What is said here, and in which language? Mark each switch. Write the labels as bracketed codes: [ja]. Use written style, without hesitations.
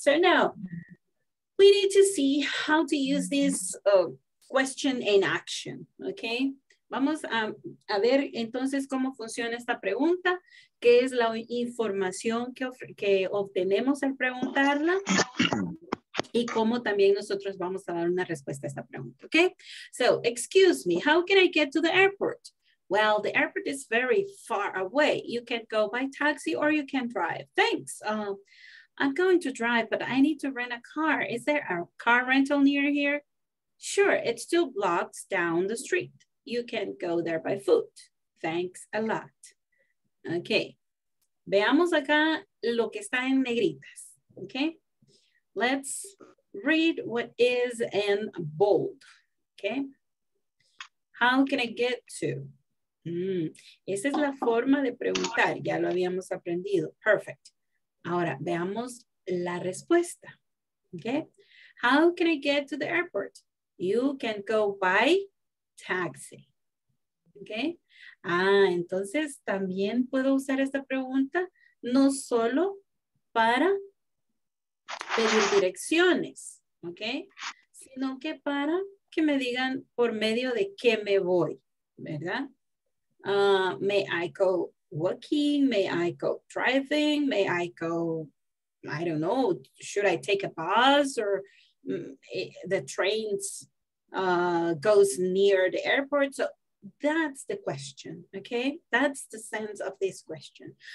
[en] So now we need to see how to use this question in action, okay? [es] Vamos a ver entonces cómo funciona esta pregunta, qué es la información que obtenemos al preguntarla y cómo también nosotros vamos a dar una respuesta a esta pregunta, okay? [en] So, excuse me, how can I get to the airport? Well, the airport is very far away. You can go by taxi or you can drive. Thanks. I'm going to drive, but I need to rent a car. Is there a car rental near here? Sure, it's 2 blocks down the street. You can go there by foot. Thanks a lot. [es] Okay, veamos acá lo que está en negritas. [en] Okay, let's read what is in bold. [es] Okay, [en] how can I get to? [es] Esa es la forma de preguntar, ya lo habíamos aprendido. Perfect. Ahora veamos la respuesta. [en] Okay, how can I get to the airport? You can go by taxi. [es] Okay. Ah, entonces también puedo usar esta pregunta no solo para pedir direcciones, ¿ok? Sino que para que me digan por medio de qué me voy, ¿verdad? [en] May I go walking? May I go driving? May I go, I don't know, should I take a bus or the trains goes near the airport? So that's the question, okay? That's the sense of this question.